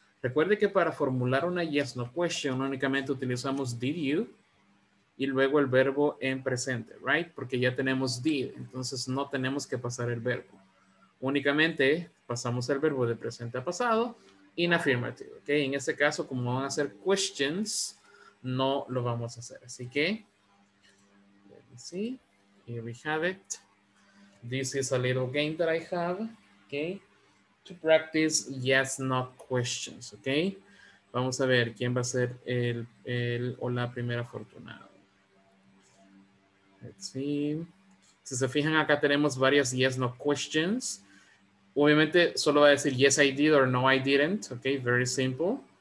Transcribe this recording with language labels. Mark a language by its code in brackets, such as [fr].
[es] Recuerde que para formular una yes, no question, únicamente utilizamos did you y luego el verbo en presente, right? Porque ya tenemos did, entonces no tenemos que pasar el verbo. Únicamente pasamos el verbo de presente a pasado. [en] In affirmative, ok. [es] En este caso, como van a ser questions, no lo vamos a hacer. Así que, [en] let me see. Here we have it. This is a little game that I have, ok. To practice yes, no questions, ok. [es] Vamos a ver quién va a ser el o la primera afortunado. [en] Let's see. [es] Si se fijan, acá tenemos varias yes, no questions. Obviamente, solo va a decir [en] yes, I did or no, I didn't. Ok, very simple.